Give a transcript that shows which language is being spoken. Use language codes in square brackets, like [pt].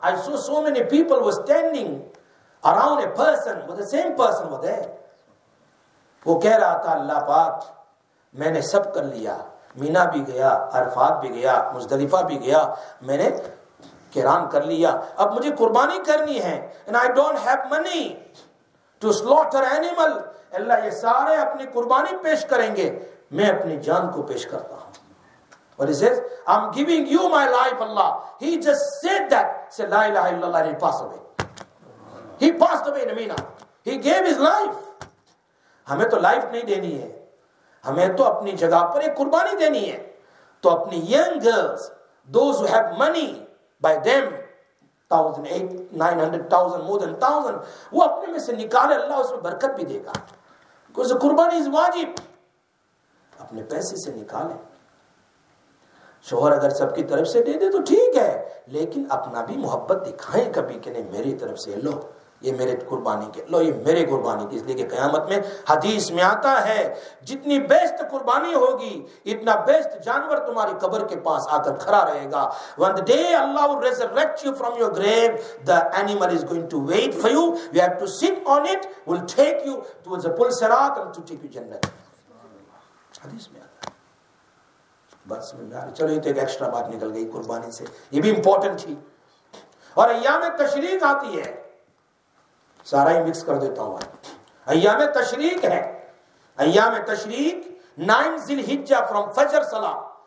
[en] I saw so many people were standing around a person, but the same person were there. [ur] وہ کہہ رہا تھا, اللہ پاک میں نے سب کر لیا, مینا بھی گیا, عرفات بھی گیا, مزدلفہ بھی گیا, میں نے کیران کر لیا, اب مجھے قربانی کرنی ہے, [en] and I don't have money to slaughter animal. [ur] اللہ یہ سارے اپنی قربانی پیش کریں گے, میں اپنی جان کو پیش کرتا ہوں. [en] But he says, I'm giving you my life, Allah. He just said that. Say, La ilaha illallah, and he passed away. He passed away in Mina. He gave his life. [ur] ہمیں تو لائف نہیں دینی ہے, ہمیں تو اپنی جگہ پر ایک قربانی دینی ہے. تو اپنی young girls, [en] those who have money, by them, [ur] 1,000, 800, 900, 1,000, more than 1,000, وہ اپنے میں سے نکالے, اللہ اس میں برکت بھی دے گا. [en] Because the qurbani is wajib. [ur] اپنے پیسے سے نکالیں. شوہر اگر سب کی طرف سے دے دے تو ٹھیک ہے, لیکن اپنا بھی محبت دکھائیں کبھی, کہ نہیں میری طرف سے لو, یہ میرے قربانی کے, لو یہ میرے قربانی کے. اس لیے کہ قیامت میں حدیث میں آتا ہے جتنی بیسٹ قربانی ہوگی اتنا بیسٹ جانور تمہاری قبر کے پاس آ کر کھڑا رہے گا. [en] When the day Allah will resurrect you from your grave, the animal is going to wait for you. You have to sit on it, will take you towards the pul sirat and to take you jannat. [ur] حدیث میں آتا ہے. بس چلو یہ تو ایک extra بات نکل گئی قربانی سے, یہ بھی امپورٹنٹ تھی. اور ایام تشریق آتی ہے, سارا ہی مکس کر دیتا ہوں. ایام تشریق ہے, ایام تشریق 9 ذی الحجہ فرام فجر سلام.